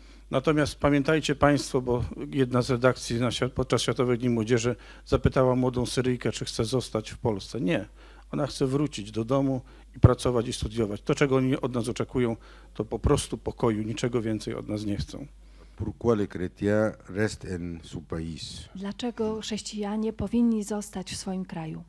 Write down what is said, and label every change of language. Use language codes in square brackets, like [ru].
[pl] Natomiast pamiętajcie Państwo, bo jedna z redakcji podczas Światowych Dni Młodzieży zapytała młodą Syryjkę, czy chce zostać w Polsce. Nie, ona chce wrócić do domu i pracować i studiować. To, czego oni od nas oczekują, to po prostu pokoju, niczego więcej od nas nie chcą. [fr] Pourquoi les chrétiens restent en son pays? [pl] Dlaczego chrześcijanie powinni zostać w swoim kraju?